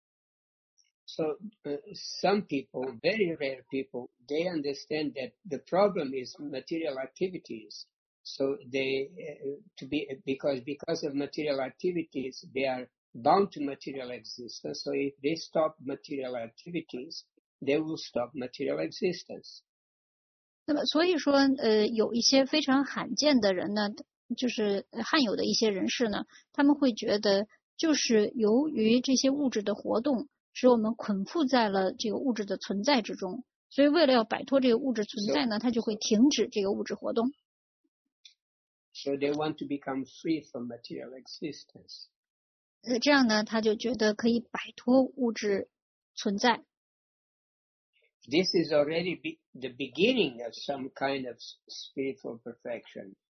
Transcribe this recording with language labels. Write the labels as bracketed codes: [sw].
[en] some people, very rare people, they understand that the problem is material activities. So they because of material activities, they are bound to material existence. So if they stop material activities, they will stop material existence. [zh] 那么所以说，有一些非常罕见的人呢，就是罕有的一些人士呢，他们会觉得，就是由于这些物质的活动，使我们捆缚在了这个物质的存在之中，所以为了要摆脱这个物质存在呢，他就会停止这个物质活动。 [en] So they want to become free from material existence. [zh] 这样呢，他就觉得可以摆脱物质存在。 [en] This is already the beginning of some kind of spiritual perfection.